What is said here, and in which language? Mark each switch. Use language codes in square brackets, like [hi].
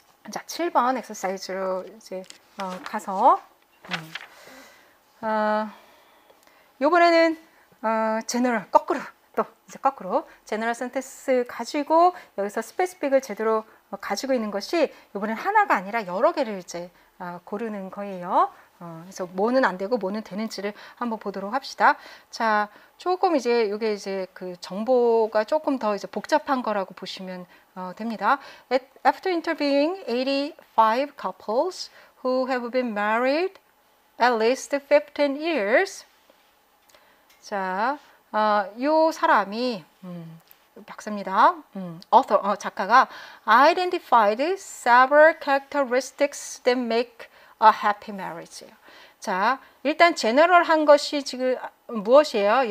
[ko] 자, 7번 엑서사이즈로 이제 가서 요번에는 제너럴 거꾸로 또 이제 거꾸로 제너럴 센텐스 가지고 여기서 스페시픽을 제대로 가지고 있는 것이 요번엔 하나가 아니라 여러 개를 이제 고르는 거예요. 그래서 뭐는 안 되고 뭐는 되는지를 한번 보도록 합시다. 자, 조금 이제 요게 이제 그 정보가 조금 더 이제 복잡한 거라고 보시면 됩니다. [en] After interviewing 85 couples who have been married at least 15 years. [ko] 자, 요 사람이 박사입니다. [en] Author [ko] 작가가 [en] identified several characteristics that make a happy marriage예요. [ko] 자, 일단 제너럴한 것이 지금 무엇이에요?